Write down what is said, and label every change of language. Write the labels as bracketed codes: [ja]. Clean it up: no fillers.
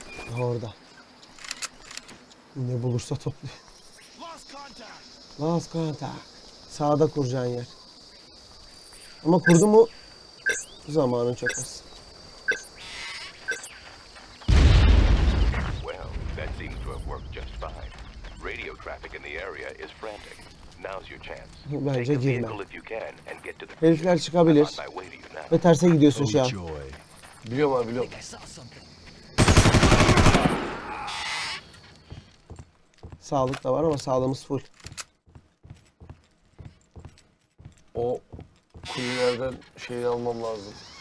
[tr] Daha orada. Ne bulursa topluyor. [en] Last contact. [tr] Sağda kuracağın yer. Ama kurdu mu zamanın çok az. [en] Well, that seems to have worked just fine. Radio traffic in the area is frantic. Now's your chance. [tr] Bence girme. Herifler çıkabilir. Ve terse gidiyorsun şu an. Biliyorum abi, biliyorum. Sağlık da var ama sağlığımız full. O kuyulardan şeyi almam lazım.